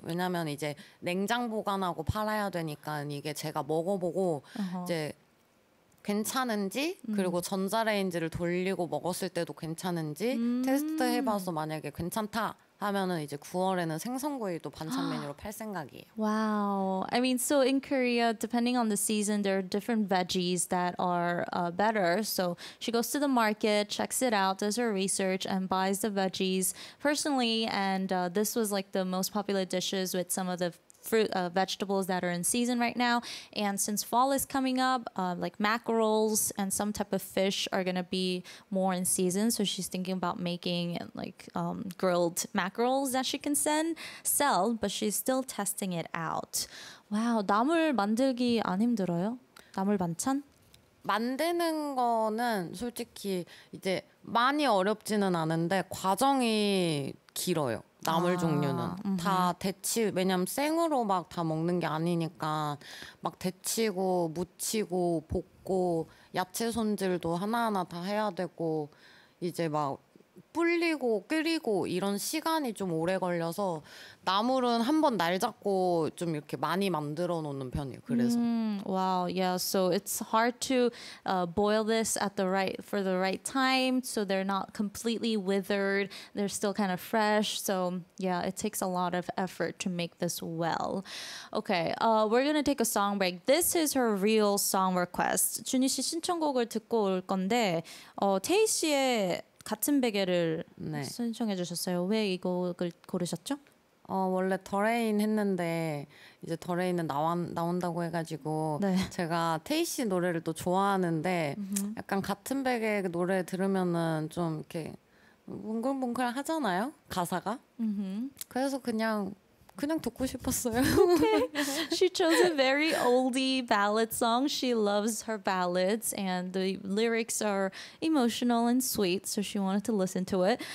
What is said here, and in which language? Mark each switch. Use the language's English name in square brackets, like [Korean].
[Korean] 왜냐면 이제 냉장 보관하고 팔아야 되니까 이게 제가 먹어보고 이제 괜찮은지 그리고 전자레인지를 돌리고 먹었을 때도 괜찮은지 테스트 해봐서 만약에 괜찮다 하면은 이제 9월에는 생선구이도 반찬 메뉴로 팔 생각이에요. [English] Wow. I mean, so in Korea, depending on the season, there are different veggies that are better. So she goes to the market, checks it out, does her research, and buys the veggies personally. And this was like the most popular dishes with some of the fruit, vegetables that are in season right now. And since fall is coming up, like mackerels and some type of fish are going to be more in season. So she's thinking about making like grilled mackerels that she can sell, but she's still testing it out. [Korean] Wow, 나물 만들기 안 힘들어요? 나물 반찬? 만드는 거는 솔직히 이제 많이 어렵지는 않은데 과정이 길어요. 나물 종류는 다 데치 왜냐면 생으로 막 다 먹는 게 아니니까 막 데치고 무치고 볶고 야채 손질도 하나하나 다 해야 되고 이제 막 불리고 끓이고 이런 시간이 좀 오래 걸려서 나물은 한 번 날 잡고 좀 이렇게 많이 만들어 놓는 편이에요. 그래서 [English] Wow. Yeah. So it's hard to boil this at the right for the right time so they're not completely withered. They're still kind of fresh. So, yeah, it takes a lot of effort to make this well. Okay. We're going to take a song break. This is her real song request. [Korean] 준희 씨 신청곡을 듣고 올 건데 태희 씨의 같은 베개를 네. 신청해 주셨어요. 왜 이 곡을 고르셨죠? 원래 더레인 했는데 이제 더레인은 나온다고 해가지고 네. 제가 테이 씨 노래를 또 좋아하는데 약간 같은 베개 노래 들으면은 좀 이렇게 뭉글뭉글 하잖아요. 가사가. 그래서 그냥 듣고 싶었어요. [English] Okay. She chose a very oldie ballad song. She loves her ballads and the lyrics are emotional and sweet, so she wanted to listen to it.